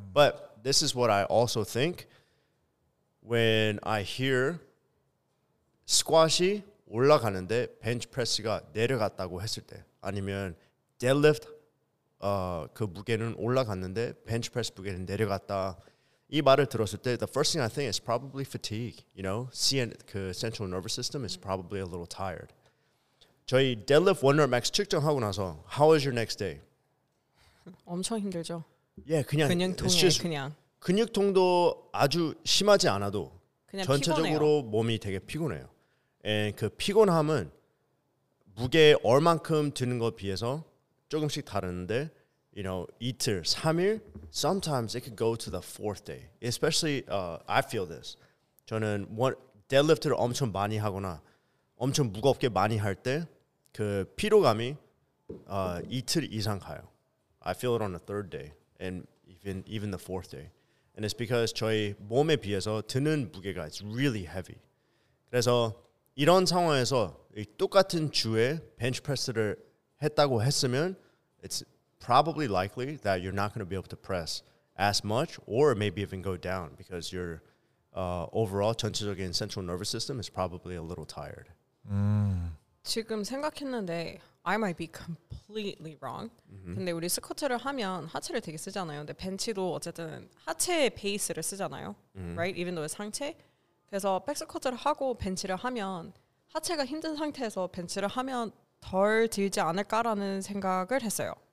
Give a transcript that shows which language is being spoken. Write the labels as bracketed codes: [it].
[en] But this is what I also think when I hear [ko] 스쿼시 올라가는데 벤치프레스가 내려갔다고 했을 때 아니면 데드리프트 그 무게는 올라갔는데 벤치프레스 무게는 내려갔다 이 말을 들었을 때 [en] the first thing I think is probably fatigue. You know, CN, 그 central nervous system is probably a little tired. [ko] 저희 [en] deadlift one rep max [ko] 측정하고 나서 [en] how was your next day? [ko] 엄청 힘들죠. Yeah, 그냥 근육통이 just, 그냥 근육통도 아주 심하지 않아도 그냥 전체적으로 피곤해요. 몸이 되게 피곤해요. And 그 피곤함은 무게 얼만큼 드는 것 비해서 조금씩 다른데 You know, 이틀, 3일, [en] sometimes it could go to the fourth day. Especially, I feel this. [ko] 저는 deadlift를 엄청 많이 하거나 엄청 무겁게 많이 할 때 그 피로감이 이틀 이상 가요. [en] I feel it on the third day and even the fourth day. And it's because [ko] 저희 몸에 비해서 드는 무게가 [en] it's really heavy. [ko] 그래서 이런 상황에서 똑같은 주에 벤치프레스를 했다고 했으면 [en] it's probably likely that you're not going to be able to press as much or maybe even go down because your overall [ko] 전체적인 [en] central nervous system is probably a little tired. [ko] 지금 생각했는데 [en] I might be completely wrong. Mm-hmm. [ko] 근데 우리 스쿼트를 하면 하체를 되게 쓰잖아요. 근데 벤치도 어쨌든 하체의 베이스를 쓰잖아요. [en] Mm-hmm. Right? Even though it's 상체. [ko] 그래서 백스쿼트를 하고 벤치를 하면 하체가 힘든 상태에서 벤치를 하면 덜 들지 않을까라는 생각을 했어요.